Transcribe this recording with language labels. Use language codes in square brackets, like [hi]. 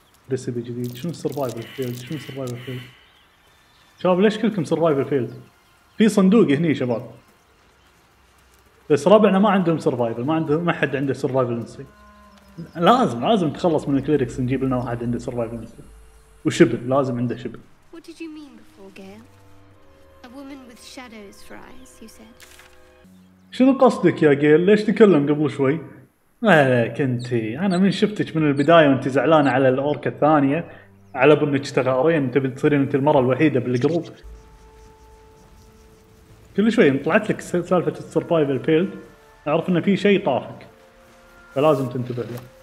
[ar] ريسبي جديد شنو survival field شنو survival field شباب ليش كلكم survival field في صندوق هني شباب بس ربعنا ما عندهم سيرفايفل ما عندهم ما حد عنده سيرفايفل نسي لازم لازم تخلص من الكليركس نجيب لنا واحد عنده سيرفايفل نسي وشبل لازم عنده شبل [en] What did you mean before, Gail? A woman with shadows for eyes, you said. [ar] شنو قصدك يا جيل ليش تكلم قبل شوي لا كنتي انا من شفتك من البدايه وانت زعلانه على الاورك الثانيه على بنك تغارين انت بتصيرين انت المره الوحيده بالجروب كل شوي طلعت لك سالفة السيرفايفل فيلد أعرف إن في شيء طافك فلازم تنتبه له.